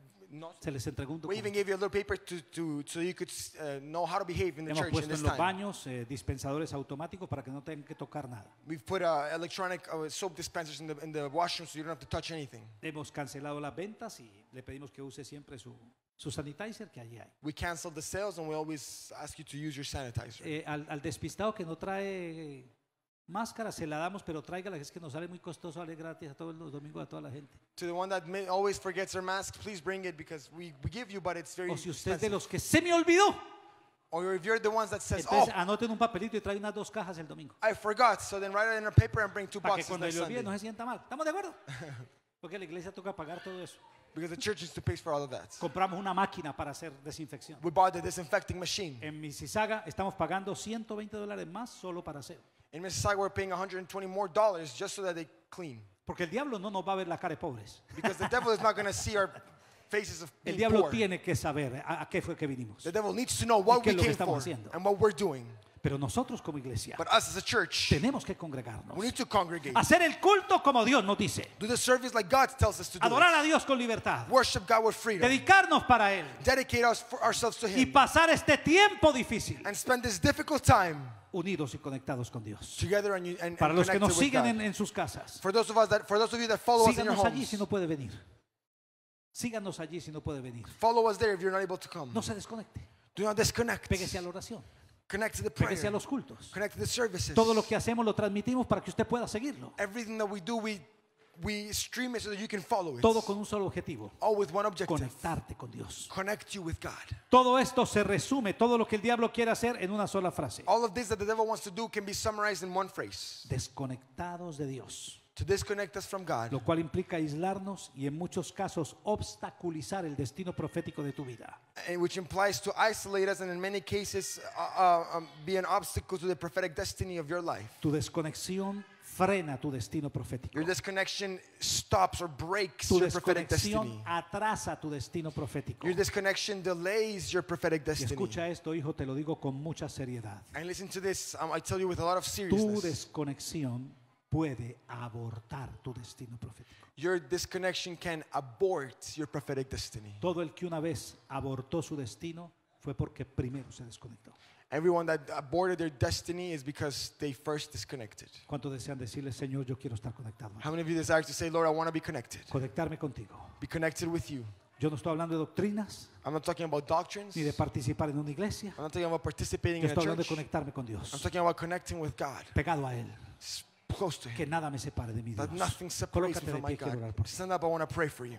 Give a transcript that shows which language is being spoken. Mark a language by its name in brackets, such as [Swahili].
[English] We even gave you a little paper to so you could know how to behave in the [Spanish] Hemos [English] church in this time. [Spanish] Hemos puesto en los baños dispensadores automáticos para que no tengan que tocar nada. [English] We've put electronic soap dispensers in the washroom so you don't have to touch anything. [Spanish] Hemos cancelado las ventas y le pedimos que use siempre su sanitizer que allí hay. [English] We canceled the sales and we always ask you to use your sanitizer. [Spanish] Al despistado que no trae máscara se la damos, pero tráigala, es que nos sale muy costoso, sale gratis a todos los domingos a toda la gente. [English] To the one that always forgets her mask, please bring it because we give you, but it's very expensive. [Spanish] O si usted es de los que se me olvidó. [English] Or if you're the ones that says, [Spanish] entonces, oh, anoten un papelito y trae unas dos cajas el domingo. [English] I forgot, so then write it in a paper and bring two [Spanish] para [English] boxes [Spanish] que cuando [English] next Sunday. [Spanish] No se sienta mal. ¿Estamos de acuerdo? Porque la iglesia toca pagar todo eso. [English] Because the church is to pay for all of that. [Spanish] Compramos una máquina para hacer desinfección. [English] We bought the disinfecting machine. [Spanish] En Mississauga estamos pagando $120 más solo para hacer. [English] In Mississauga, we're paying $120 more just so that they clean. [Spanish] Porque el diablo no nos va a ver la cara de pobres. [English] Because the devil is not going to see our faces of [Spanish] El diablo [English] poor. [Spanish] Tiene que saber a qué fue que vinimos. [English] The devil needs to know what we came for [Spanish] haciendo. [English] And what we're doing. [Spanish] Pero nosotros como iglesia, [English] but us as a church, [Spanish] tenemos que congregarnos. [English] We need to congregate. [Spanish] Hacer el culto como Dios nos dice. [English] Do the service like God tells us to do. [Spanish] Adorar a Dios con libertad. [English] Worship God with freedom. [Spanish] Dedicarnos para él. [English] Dedicate ourselves to him. [Spanish] Y pasar este tiempo difícil. [English] And spend this difficult time. [Spanish] Unidos y conectados con Dios. [English] And [Spanish] para los que nos siguen en sus casas. Síganos allí si no puede venir. Síganos allí si no puede venir. [English] Follow us there if you're not able to come. [Spanish] No se desconecte. [English] Do not disconnect. [Spanish] Péguese a la oración. [English] Connect to the prayer. [Spanish] Péguese a los cultos. [English] Connect to the services. [Spanish] Todo lo que hacemos lo transmitimos para que usted pueda seguirlo. [English] Everything that we do, we we stream it so that you can follow it. [Spanish] Todo con un solo objetivo. [English] All with one objective. [Spanish] Conectarte con Dios. [English] Connect you with God. [Spanish] Todo esto se resume, todo lo que el diablo quiere hacer en una sola frase. [English] All of this that the devil wants to do can be summarized in one phrase. [Spanish] Desconectados de Dios. [English] To disconnect us from God. [Spanish] Lo cual implica aislarnos y en muchos casos obstaculizar el destino profético de tu vida. [English] And which implies to isolate us and in many cases be an obstacle to the prophetic destiny of your life. [Spanish] Tu desconexión frena tu destino profético. [English] Your disconnection stops or breaks your prophetic destiny. [Spanish] Atrasa tu destino profético. [English] Your disconnection delays your prophetic destiny. [Spanish] Y escucha esto, hijo, te lo digo con mucha seriedad. [English] And listen to this, I tell you with a lot of seriousness. [Spanish] Tu desconexión puede abortar tu destino profético. [English] Your disconnection can abort your prophetic destiny. [Spanish] Todo el que una vez abortó su destino fue porque primero se desconectó. [English] Everyone that aborted their destiny is because they first disconnected. [Spanish] ¿Cuánto desean decirle, Señor, yo quiero estar conectado? [English] How many of you desire to say, Lord, I want to be connected? [Spanish] Conectarme contigo. [English] Be connected with you. [Spanish] Yo no estoy hablando de doctrinas. [English] I'm not talking about doctrines. [Spanish] Ni de participar en una iglesia. [English] I'm not talking about participating in a church. [Spanish] Estoy hablando de conectarme con Dios. [English] I'm talking about connecting with God. [Spanish] Pegado a él. [English] Close to him. [Spanish] Que nada me separe de mi Dios. [English] That nothing separates me from my God. Stand up, I want to pray for you.